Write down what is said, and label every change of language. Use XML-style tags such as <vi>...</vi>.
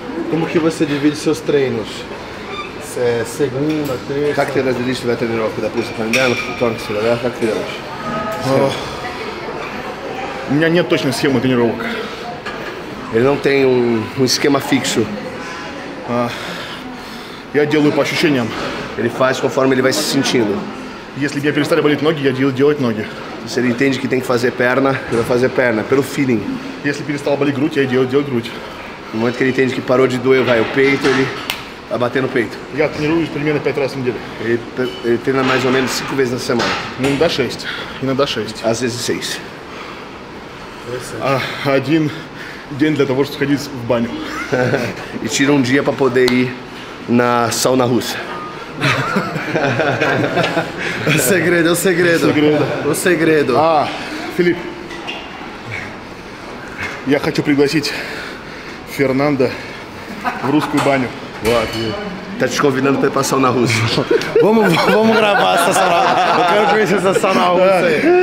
<pt>Como que você divide seus treinos? É segunda, terça.</pt> <ru>Как ты разделишь себя тренировки? Допустим, понедельник, вторник, среда, как ты делаешь? У меня нет точной схемы тренировок.</ru> <pt>Ele não tem um esquema fixo.</pt> <ru>Я делаю по ощущениям.</ru> <pt>Ele faz conforme ele vai se sentindo.</pt> <ru>Если меня перестали болеть ноги, я делаю делать ноги.</ru> <pt>Se ele entende que tem que fazer perna, ele vai fazer perna, pelo feeling.</pt> <ru>Если перестала болеть грудь, я делаю делать грудь.</ru> <pt>No momento que ele entende que parou de doer, vai o peito, ele vai bater no peito.</pt> <ru>Я тренируюсь примерно 5 раз в неделю.</ru> <pt>Ele treina mais ou menos 5 vezes na semana.</pt> <ru>Иногда 6. Иногда 6.</ru> <pt>Às vezes 6.</pt> <ru>Один день для того, чтобы сходить в баню.</ru> <pt>E tira um dia para poder ir na sauna russa. O segredo, é o segredo. Segredo. O segredo. Ah, Felipe.</pt> <ru>Я хочу пригласить Фернандо в русскую баню. Вот.</ru> <pt>Tá te convidando para ir pra sauna russa. Vamos gravar essa sauna. Eu quero conhecer essa sauna russa aí.</pt>